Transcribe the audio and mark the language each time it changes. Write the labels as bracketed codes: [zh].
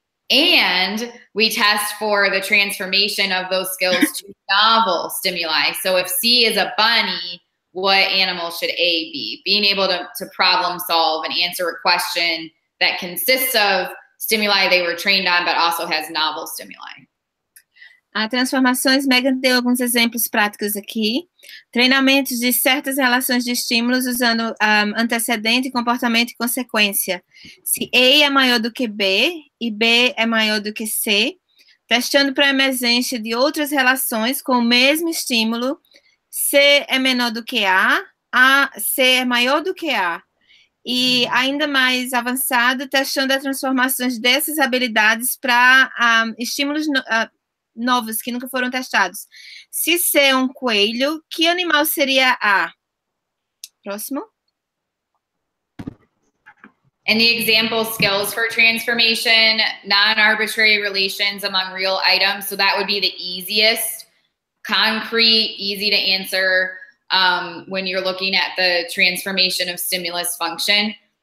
[en] And we test for the transformation of those skills to novel stimuli. So if C is a bunny, what animal should A be? Being able to problem solve and answer a question that consists of stimuli they were trained on, but also has novel stimuli. [pt] A transformações, Megan deu alguns exemplos práticos aqui. Treinamentos de certas relações de estímulos usando antecedente, comportamento e consequência. Se A é maior do que B e B é maior do que C, testando para a emergência de outras relações com o mesmo estímulo, C é menor do que A, A, C é maior do que A. E ainda mais avançado, testando as transformações dessas habilidades para estímulos... novos, que nunca foram testados. Se C é um coelho, que animal seria A? Próximo. [en] And the example skills for transformation, non-arbitrary relations among real items. So that would be the easiest, concrete, easy to answer when you're looking at the transformation of stimulus function.